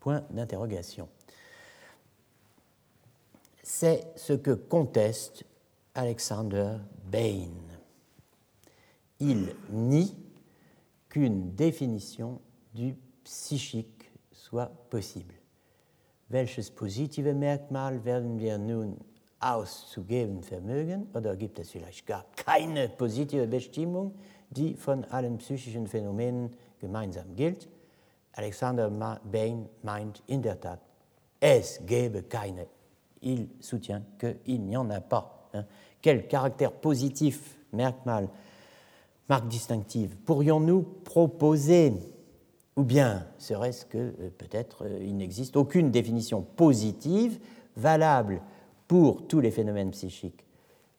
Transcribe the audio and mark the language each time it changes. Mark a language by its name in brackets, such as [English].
[French] Point d'interrogation. C'est ce que conteste Alexander Bain. Il nie qu'une définition du psychique soit possible. [German] Welches positive Merkmal werden wir nun auszugeben vermögen? Oder gibt es vielleicht gar keine positive Bestimmung, die von allen psychischen Phänomenen gemeinsam gilt? Alexander Bain meint in der Tat, es gäbe keine. [French] Il soutient qu'il n'y en a pas. Quel caractère positif, Merkmal, marque distinctive, pourrions-nous proposer? Ou bien serait-ce que peut-être il n'existe aucune définition positive valable pour tous les phénomènes psychiques ?